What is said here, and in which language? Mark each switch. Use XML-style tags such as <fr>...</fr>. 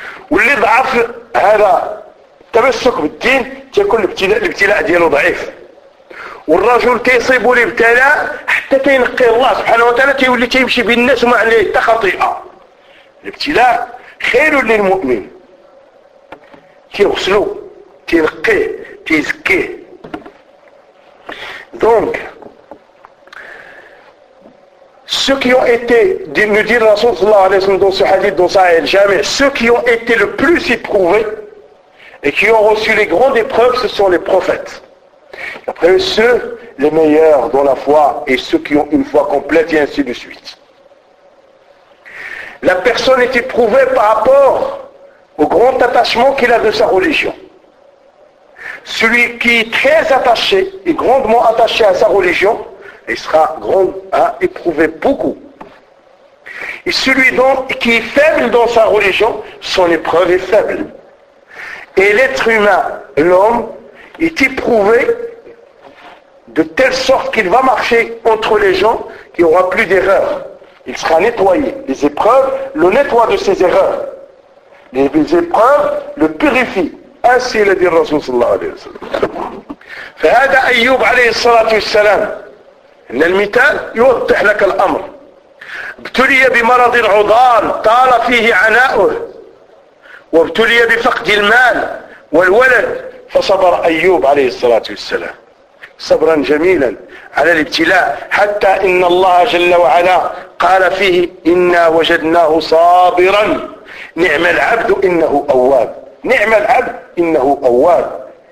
<ar>واللي ضعف هذا تمسك بالدين تيكون الابتلاء ديالو ضعيف والرجل تيصيبو الابتلاء حتى تينقي الله سبحانه وتعالى تيولي تيمشي بالناس وما عليه حتى خطيئه الابتلاء خير للمؤمن تيغسلو تينقيه تيزكيه دونك</ar> <fr>Ceux qui ont été, nous dit le Rasoul sallallahu alayhi wa sallam dans ce hadith, dans Sahih al-Jami, ceux qui ont été le plus éprouvés et qui ont reçu les grandes épreuves, ce sont les prophètes. Après ceux, les meilleurs dans la foi et ceux qui ont une foi complète et ainsi de suite. La personne est éprouvée par rapport au grand attachement qu'il a de sa religion. Celui qui est très attaché et grandement attaché à sa religion, Il sera grand à éprouver beaucoup. Et celui donc qui est faible dans sa religion, son épreuve est faible. Et l'être humain, l'homme, est éprouvé de telle sorte qu'il va marcher entre les gens, qu'il n'y aura plus d'erreurs. Il sera nettoyé. Les épreuves le nettoient de ses erreurs. Les épreuves le purifient. Ainsi le dit le Rasoul sallallahu alayhi wa sallam.</fr> <ar>فهذا أيوب عليه الصلاة والسلام إن المثال يوضح لك الأمر ابتلي بمرض العضال طال فيه عناؤه وابتلي بفقد المال والولد فصبر أيوب عليه الصلاة والسلام صبرا جميلا على الابتلاء حتى إن الله جل وعلا قال فيه إنا وجدناه صابرا نعم العبد إنه أواب نعم العبد إنه أواب</ar>